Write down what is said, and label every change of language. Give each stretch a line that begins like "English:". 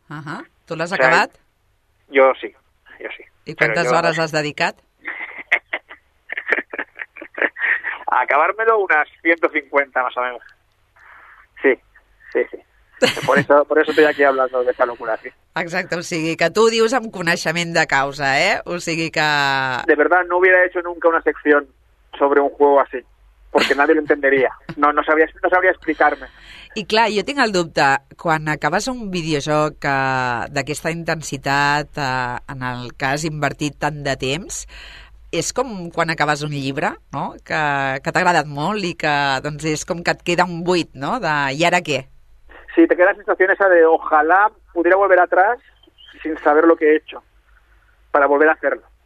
Spanish: Ajá. ¿Tú lo has
Catalan: acabat?
Spanish: Yo sí. ¿Y cuántas horas has
Catalan: dedicat?
Spanish: A acabármelo unas 150, más o menos. Sí. Por eso estoy aquí hablando de esta locura, sí.
Catalan: Exacte, o sigui, que tu dius amb coneixement de causa, ¿eh? O sigui que...
Spanish: De verdad, no hubiera hecho nunca una sección sobre un juego así. Porque nadie lo entendería. No sabría explicarme.
Catalan: I clar, jo tinc el dubte, quan acabes un videojoc d'aquesta intensitat, en el que has invertit tant de temps, és com quan acabes un llibre, no?, que t'ha agradat molt i que doncs, és com que et queda un buit, no?, de i ara què?
Spanish: Sí, te queda la sensación esa de ojalá pudiera volver atrás sin saber lo que he hecho para volver a hacerlo.